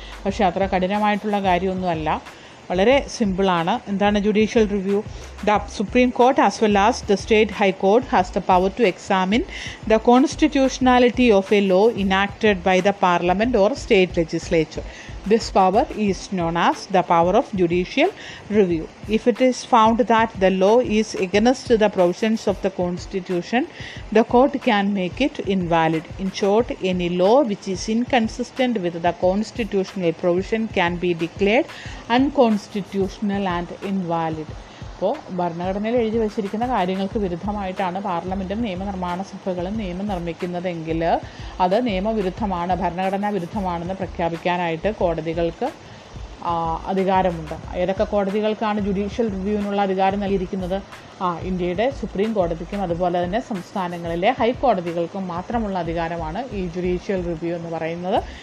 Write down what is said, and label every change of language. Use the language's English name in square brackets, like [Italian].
[Malayalam] പക്ഷേ അത്ര കഠിനമായിട്ടുള്ള കാര്യമൊന്നുമല്ല, വളരെ സിമ്പിളാണ്. എന്താണ് judicial review? [English] The supreme court as well as the state high court has the power to examine the constitutionality of a law enacted by the parliament or state legislature. This power is known as the power of judicial review. If it is found that the law is against the provisions of the constitution, the court can make it invalid. In short, any law which is inconsistent with the constitutional provision can be declared unconstitutional and invalid. [Malayalam] അപ്പോൾ ഭരണഘടനയിൽ എഴുതി വച്ചിരിക്കുന്ന കാര്യങ്ങൾക്ക് വിരുദ്ധമായിട്ടാണ് പാർലമെൻറ്റും നിയമനിർമ്മാണ സഭകളും നിയമം നിർമ്മിക്കുന്നതെങ്കിൽ അത് നിയമവിരുദ്ധമാണ്, ഭരണഘടനാ വിരുദ്ധമാണെന്ന് പ്രഖ്യാപിക്കാനായിട്ട് കോടതികൾക്ക് അധികാരമുണ്ട്. ഏതൊക്കെ കോടതികൾക്കാണ് ജുഡീഷ്യൽ റിവ്യൂവിനുള്ള അധികാരം നൽകിയിരിക്കുന്നത്? ഇന്ത്യയുടെ സുപ്രീം കോടതിക്കും അതുപോലെ തന്നെ സംസ്ഥാനങ്ങളിലെ ഹൈക്കോടതികൾക്കും മാത്രമുള്ള അധികാരമാണ് ഈ ജുഡീഷ്യൽ റിവ്യൂ എന്ന് പറയുന്നത്.